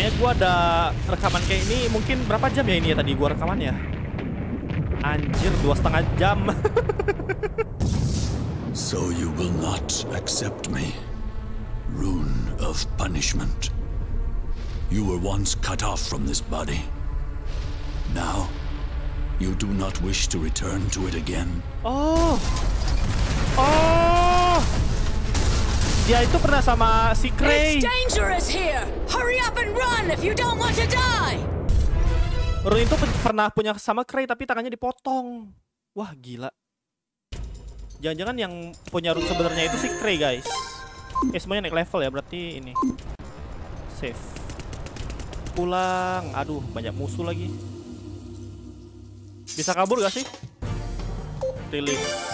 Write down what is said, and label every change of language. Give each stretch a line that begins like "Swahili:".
Indonesian: ada rekaman kayak ini, mungkin berapa jam ya ini ya tadi gua rekamannya? Anjir, 2,5 jam.
English: So you will not accept me, rune of punishment. You were once cut off from this body. Now, you do not wish to return to it again.
Indonesian: Oh, oh! Dia itu pernah sama si Kray.
English: It's dangerous here. Hurry up and run if you don't want to die.
Indonesian: Rune itu pernah punya sama Kray tapi tangannya dipotong. Wah gila. Jangan-jangan yang punya rune sebenarnya itu si Kray, guys. Semuanya naik level ya, berarti ini. Save. Pulang. Aduh, banyak musuh lagi. Bisa kabur gak sih? Release.